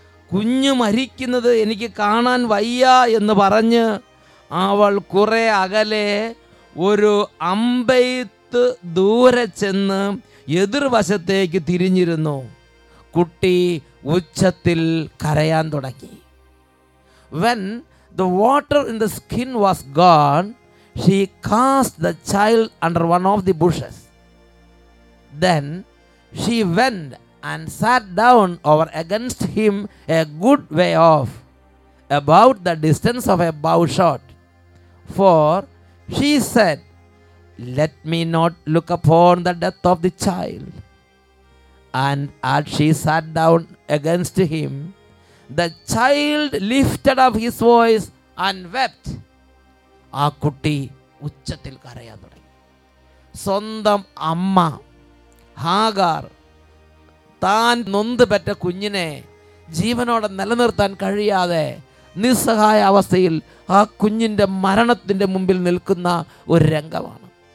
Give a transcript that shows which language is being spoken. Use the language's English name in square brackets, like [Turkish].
[Malayalam] കുഞ്ഞു മരിക്കുന്നത് എനിക്ക് കാണാൻ വയ്യ എന്ന് പറഞ്ഞ് അവൾ കുറെ അകലെ ഒരു അമ്പെയ്ത്ത് ദൂരെ ചെന്ന് എതിർവശത്തേക്ക് തിരിഞ്ഞിരുന്നു. കുട്ടി ഉച്ചത്തിൽ കരയാൻ തുടങ്ങി. [English] When the water in the skin was gone, she cast the child under one of the bushes. Then she went and sat down over against him a good way off, about the distance of a bow shot. For she said, Let me not look upon the death of the child. And as she sat down against him, the child lifted up his voice and wept. [Malayalam] Aa kutti uchathil karaya thodangi. Sondam amma Hagar താൻ നൊന്ത് പെറ്റ കുഞ്ഞിനെ ജീവനോടെ നിലനിർത്താൻ കഴിയാതെ നിസ്സഹായ അവസ്ഥയിൽ ആ കുഞ്ഞിൻ്റെ മരണത്തിൻ്റെ മുമ്പിൽ നിൽക്കുന്ന ഒരു രംഗമാണ്.